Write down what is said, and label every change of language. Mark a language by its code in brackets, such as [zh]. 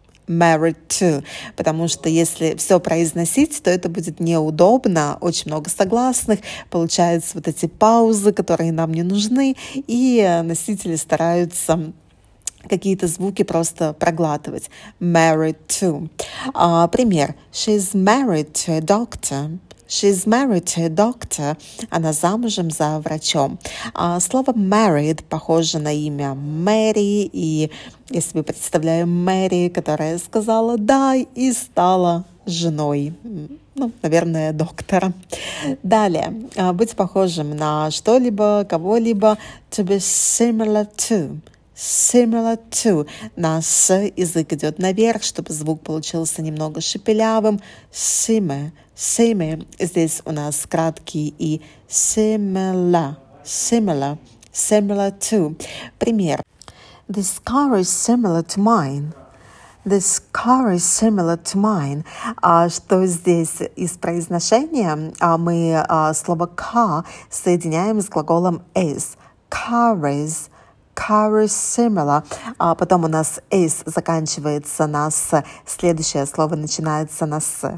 [ru] Married to, потому что если все произносить, то это будет неудобно, очень много согласных, получаются вот эти паузы, которые нам не нужны, и носители стараются какие-то звуки просто проглатывать. [en] Married to. [ru] Пример. [en] She's married to a doctor. She's married to a doctor. [ru] Она замужем за врачом. Слово married похоже на имя Мэри, и я себе представляю Мэри, которая сказала «да» и стала женой. Ну, наверное, доктора. Далее. Быть похожим на что-либо, кого-либо. [en] To be similar to. Similar to. [ru] Наш язык идет наверх, чтобы звук получился немного шепелявым. [en] Similar. Same. [ru] Здесь у нас краткий и similar. [en] Similar. Similar to. [ru] Пример. [en] This car is similar to mine. This car is similar to mine. [ru] Что здесь из произношения? Мы слово car соединяем с глаголом is. [en] Car is. Car is similar. [ru] А потом у нас is заканчивается на s. Следующее слово начинается на s.